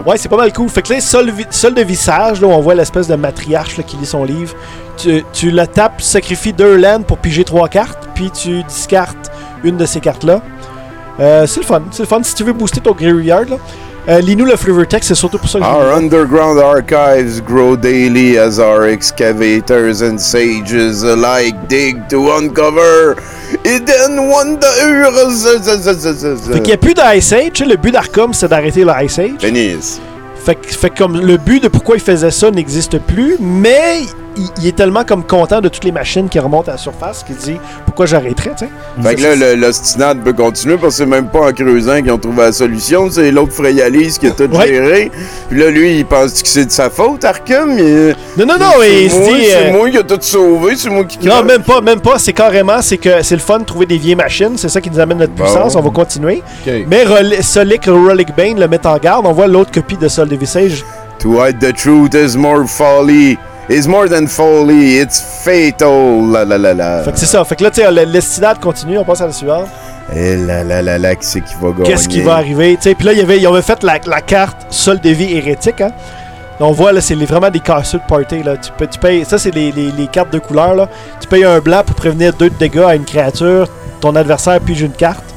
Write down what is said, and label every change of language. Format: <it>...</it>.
<fr>Ouais, c'est pas mal cool. Fait que là, soldes de vie sage, là, où on voit l'espèce de matriarche là, qui lit son livre. Tu la tapes, tu sacrifies 2 lands pour piger 3 cartes, puis tu discartes une de ces cartes-là. C'est le fun. Si tu veux booster ton Graveyard, lis-nous le Flavor Text, c'est surtout pour ça que</fr> <en>Our underground archives grow daily as our excavators and sages alike dig to uncover hidden wonders.</en> <fr>Fait qu'il n'y a plus d'Ice Age, tu sais, le but d'Arkham, c'est d'arrêter l'Ice Age. Venise. Fait comme le but de pourquoi il faisait ça n'existe plus, mais il est tellement comme content de toutes les machines qui remontent à la surface qu'il dit pourquoi j'arrêterais, tu sais. Fait que là, l'ostinade peut continuer parce que c'est même pas en creusant qu'ils ont trouvé la solution. C'est l'autre Freyalis qui a tout géré. Puis là, lui, il pense que c'est de sa faute, Arkham. Non, c'est il moi, se dit. C'est moi qui a tout sauvé, c'est moi qui. Non, crache. même pas. C'est carrément, c'est que c'est le fun de trouver des vieilles machines. C'est ça qui nous amène notre puissance. On va continuer. Okay. Mais Relic Bane le met en garde. On voit l'autre copie de Sol de Visage.</fr> <en>To hide the truth is more folly. It's more than folly, it's fatal, la la la la.</en> <fr>Fait que c'est ça, fait que là, tu sais, l'estinade continue, on passe à la suivante. Et la la la la, qui c'est qui va gagner? Qu'est-ce qui va arriver? Tu sais, puis là, ils avaient fait la carte Sol de vie hérétique, hein. Là, on voit, là, c'est vraiment des casseux de party, là. Tu payes, ça, c'est les cartes de couleur, là. Tu payes un blanc pour prévenir 2 dégâts à une créature, ton adversaire pige une carte.</fr>